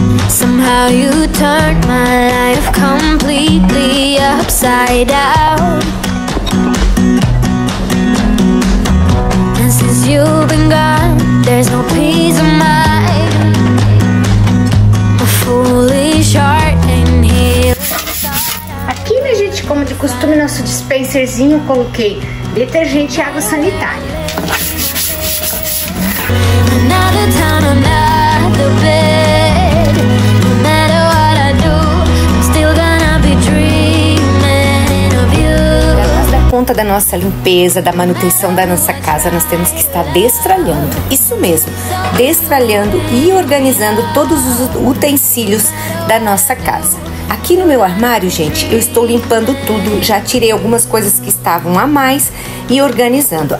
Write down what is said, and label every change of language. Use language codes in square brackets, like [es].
[en] Somehow you turned my life completely upside down. And since you've been gone, there's no peace of mind. A foolish heart ain't healed. [pt] Aqui, minha gente, como de costume, nosso dispenserzinho, coloquei detergente e água sanitária. [en] Another town, another bed. No matter what I do, I'm still gonna be dreaming of you. [pt] Conta da nossa limpeza, da manutenção da nossa casa, nós temos que estar destralhando, isso mesmo, destralhando e organizando todos os utensílios da nossa casa. Aqui no meu armário, gente, eu estou limpando tudo, já tirei algumas coisas que estavam a mais e organizando.